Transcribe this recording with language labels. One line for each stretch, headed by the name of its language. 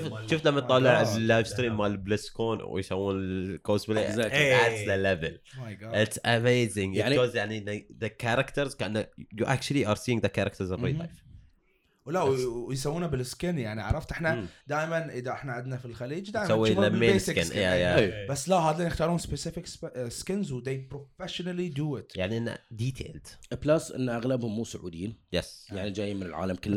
Arabic: شفت لما طالع اللايف ستريم مال بلسكون ويسوون الكوسبلاي.
English: Exactly. That's the level. It's amazing. Because يعني the characters كأن you actually are seeing the characters in real life.
Arabic: ولا ويسوونه بالسكن يعني عرفت احنا دائما اذا احنا عندنا في الخليج دائما نسوي بالسكن بس لا هذين يختارون
English: specific skins وذي professionally do it
Arabic: يعني انه ديتيلد بلس ان اغلبهم مو سعوديين
English: yes
Arabic: يعني جايين من العالم كله